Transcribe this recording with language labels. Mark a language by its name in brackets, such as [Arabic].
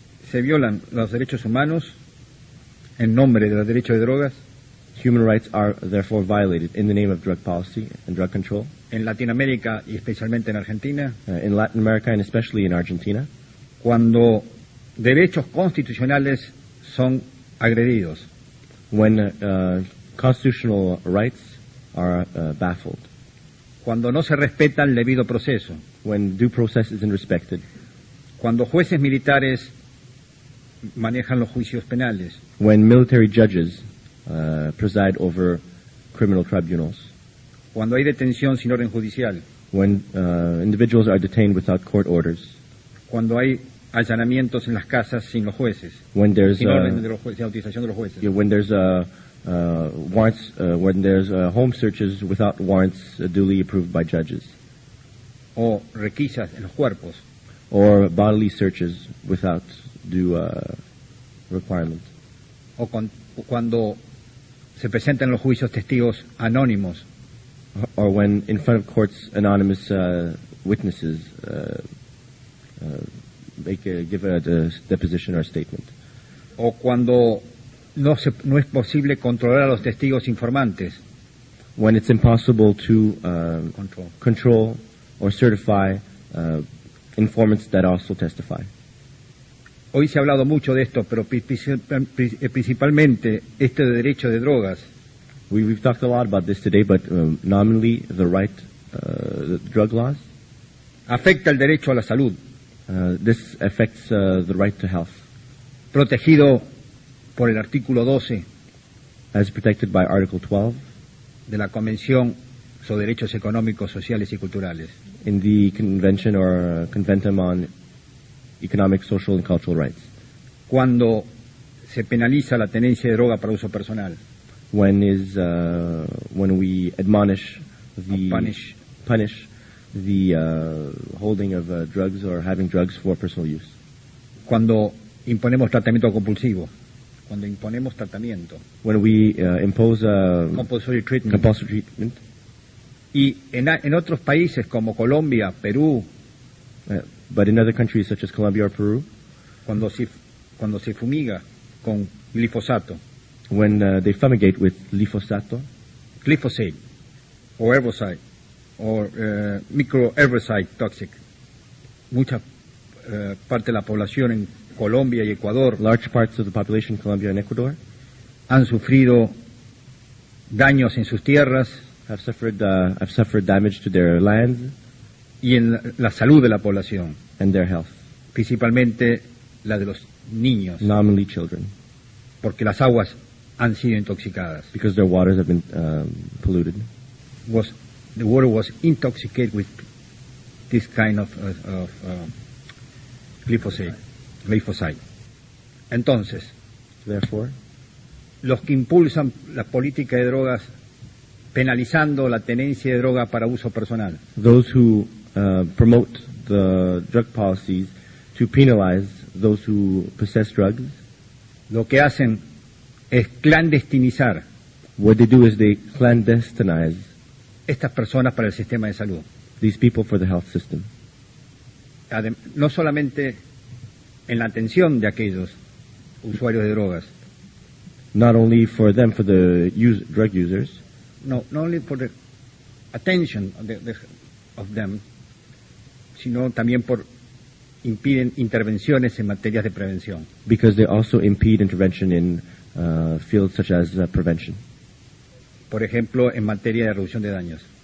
[Spanish] Se violan los derechos humanos en nombre del derecho de drogas. [English] Human rights are therefore violated in the name of drug policy and drug control. [Spanish] En Latinoamérica y especialmente en Argentina. [English] In Latin America and especially in Argentina. [Spanish] Cuando derechos constitucionales son agredidos. [English] When constitutional rights are baffled. [Spanish] Cuando no se respeta el debido proceso. [English] When due process isn't respected. [Spanish] Cuando jueces militares manejan los juicios penales. [English] When military judges preside over criminal tribunals. [Spanish] Cuando hay detención sin orden judicial. [English] When individuals are detained without court orders. [Spanish] Cuando hay allanamientos en las casas sin los jueces, [English] when there's, [Spanish] sin orden de los jueces, sin autorización de los jueces. [English] Yeah, when there's warrants, when there's home searches without warrants duly approved by judges. [Spanish] O requisas en los cuerpos. [English] Or bodily searches without due requirement. [Spanish] O cuando se presentan los juicios testigos anónimos. [English] Or when in front of courts anonymous witnesses give a deposition or a statement. [Spanish] O cuando no es posible controlar a los testigos informantes. [English] When it's impossible to control or certify informants that also testify. [Spanish] Hoy se ha hablado mucho de esto, pero principalmente este derecho de drogas. [English] We've talked a lot about this today, but nominally the right drug laws. [Spanish] Afecta el derecho a la salud. [English] This affects the right to health. [Spanish] Protegido por el artículo 12 [English] as protected by Article 12 [Spanish] de la Convención sobre Derechos Económicos, Sociales y Culturales. [English] In the Convention or Conventum on Economic, Social and Cultural Rights. [Spanish] Cuando se penaliza la tenencia de droga para uso personal. [English] When is when we admonish the punish the holding of drugs or having drugs for personal use. [Spanish] Cuando imponemos tratamiento compulsivo. Cuando imponemos tratamiento. [English] When we impose a compulsory treatment. Compulsory treatment. [Spanish] Y en otros países como Colombia, Perú. [English] But in other countries such as Colombia or Peru. [Spanish] Cuando se fumiga con glifosato. [English] When they fumigate with glifosato. Glyphosate. Or herbicide. Or micro-herbicide toxic. [Spanish] Mucha parte de la población en Colombia y Ecuador. [English] Large parts of the population in Colombia and Ecuador. [Spanish] Han sufrido daños en sus tierras. [English] Have suffered damage to their lands. [Spanish] Y en la salud de la población. [English] And their health. [Spanish] Principalmente la de los niños. [English] Nominally children. [Spanish] Porque las aguas han sido intoxicadas. [English] Because their waters have been polluted. The water was intoxicated with this kind of glyphosate. [Spanish] Entonces, [English] therefore, [Spanish] los que impulsan la política de drogas penalizando la tenencia de droga para uso personal. [English] Those who promote the drug policies to penalize those who possess drugs. [Spanish] Lo que hacen es clandestinizar. [English] What they do is they clandestinize [Spanish] estas personas para el sistema de salud. [English] These people for the health system. [Spanish] No solamente en la atención de aquellos usuarios de drogas. [English] Not only for them, for the drug users. No, not only for the attention of them, [Spanish] sino también por impiden intervenciones en materias de prevención. [English] Because they also impede intervention in fields such as prevention. [Spanish] Por ejemplo, en materia de reducción de daños.